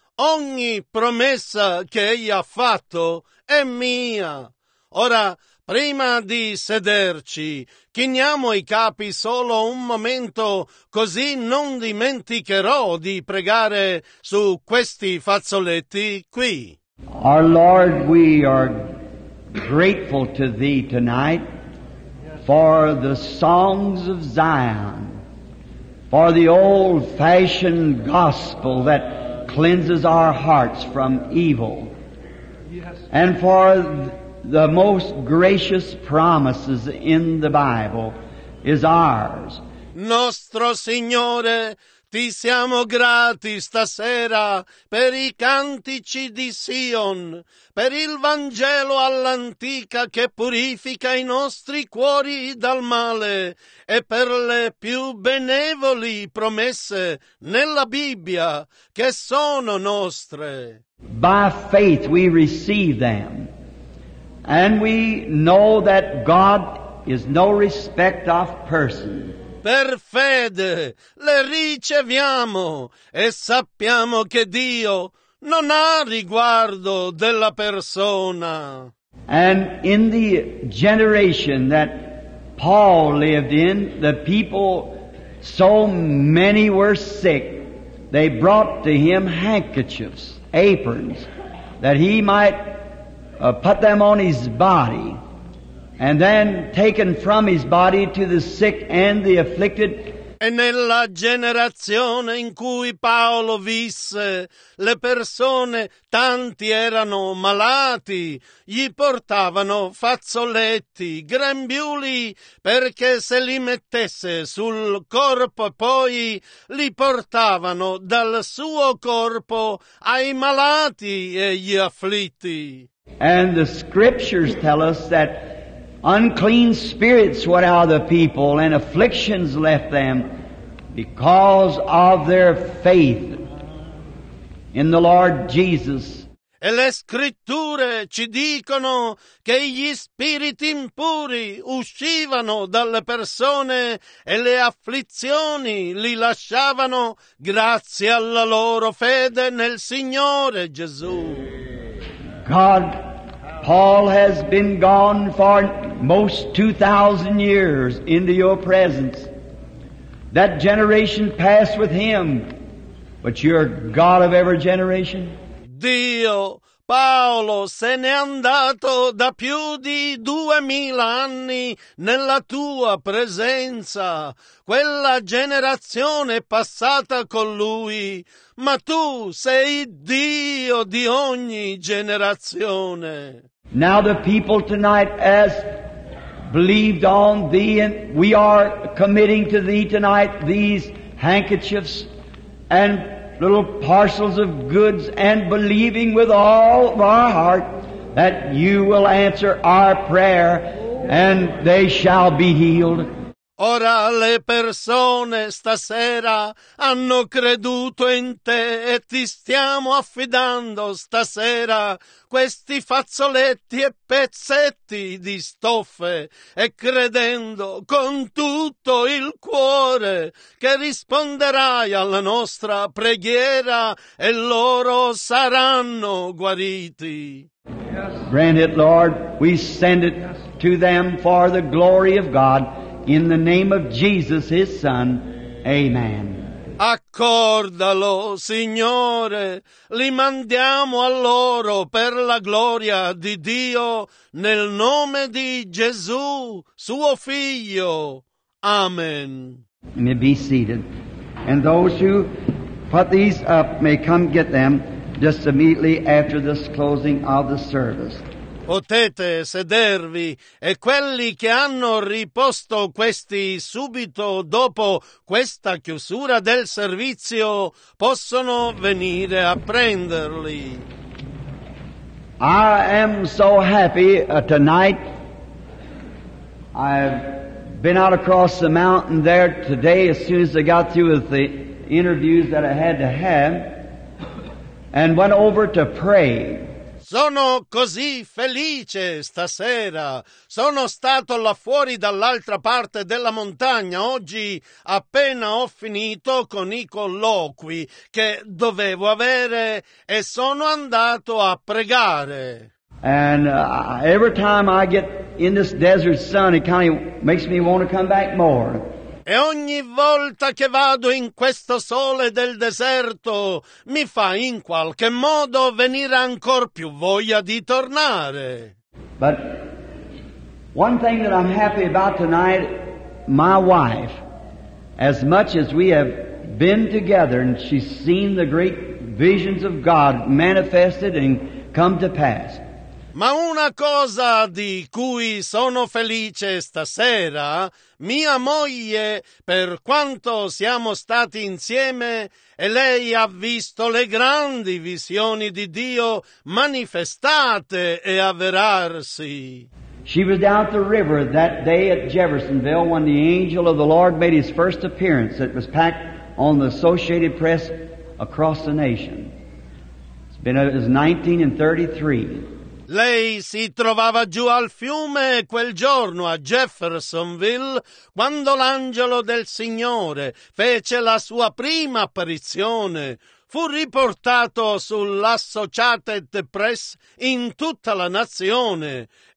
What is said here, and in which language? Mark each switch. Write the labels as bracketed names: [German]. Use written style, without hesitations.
[Italian] Ogni promessa che egli ha fatto è mia. Ora, prima di sederci, chiniamo i capi solo un momento, così non dimenticherò di pregare su questi fazzoletti qui. [English] Our Lord, we are grateful to Thee tonight for the songs of Zion, for the old-fashioned gospel that cleanses our hearts from evil, and for the most gracious promises in the Bible is ours. [Italian] Nostro Signore, ti siamo grati stasera per i cantici di Sion, per il Vangelo all'antica che purifica i nostri cuori dal male e per le più benevoli promesse nella Bibbia che sono nostre. [English] By faith we receive them, and we know that God is no respect of person. [Italian] Per fede le riceviamo e sappiamo che Dio non ha riguardo della persona. [English] And in the generation that Paul lived in, the people, so many were sick, they brought to him handkerchiefs, aprons, that he might put them on his body. And then taken from his body to the sick and the afflicted. [Italian] E nella generazione in cui Paolo visse, le persone, tanti erano malati, gli portavano fazzoletti, grembiuli, perché se li mettesse sul corpo, poi li portavano dal suo corpo ai malati e gli afflitti. [English] And the scriptures tell us that unclean spirits went out of the people, and afflictions left them because of their faith in the Lord Jesus. [Italian] E le scritture ci dicono che gli spiriti impuri uscivano dalle persone e le afflizioni li lasciavano grazie alla loro fede nel Signore Gesù. [English] God, Paul has been gone for most 2,000 years into your presence. That generation passed with him, but you're God of every generation. [Italian] Dio, Paolo se n'è andato da più di 2,000 anni nella tua presenza. Quella generazione è passata con lui, ma tu sei Dio di ogni generazione. [English] Now the people tonight has believed on Thee, and we are committing to Thee tonight these handkerchiefs and little parcels of goods, and believing with all of our heart that You will answer our prayer and they shall be healed. [Italian] Ora le persone stasera hanno creduto in te e ti stiamo affidando stasera questi fazzoletti e pezzetti di stoffe e credendo con tutto il cuore che risponderai alla nostra preghiera e loro saranno guariti. [English] Grant it, Lord, we send it to them for the glory of God. In the name of Jesus, His Son, amen. [Italian] Accordalo, Signore, li mandiamo a loro per la gloria di Dio, nel nome di Gesù, suo Figlio. Amen. [English] You may be seated. And those who put these up may come get them just immediately after this closing of the service. [Italian] Potete sedervi e quelli che hanno riposto questi subito dopo questa chiusura del servizio possono venire a prenderli. [English] I am so happy tonight. I've been out across the mountain there today as soon as I got through with the interviews that I had to have and went over to pray. [Italian] Sono così felice stasera. Sono stato là fuori dall'altra parte della montagna oggi appena ho finito con i colloqui che dovevo avere e sono andato a pregare. [English] And every time I get in this desert sun, it kind of makes me want to come back more. [Italian] E ogni volta che vado in questo sole del deserto mi fa in qualche modo venire ancor più voglia di tornare. [English] But one thing that I'm happy about tonight, my wife, as much as we have been together and she's seen the great visions of God manifested and come to pass. [Italian] Ma una cosa di cui sono felice stasera, mia moglie, per quanto siamo stati insieme, e lei ha visto le grandi visioni di Dio manifestate e avverarsi. [English] She was down at the river that day at Jeffersonville when the angel of the Lord made his first appearance that was packed on the Associated Press across the nation. It was 1933. [Italian] Lei si trovava giù al fiume quel giorno a Jeffersonville quando l'angelo del Signore fece la sua prima apparizione. Fu riportato sull'Associated Press in tutta la nazione.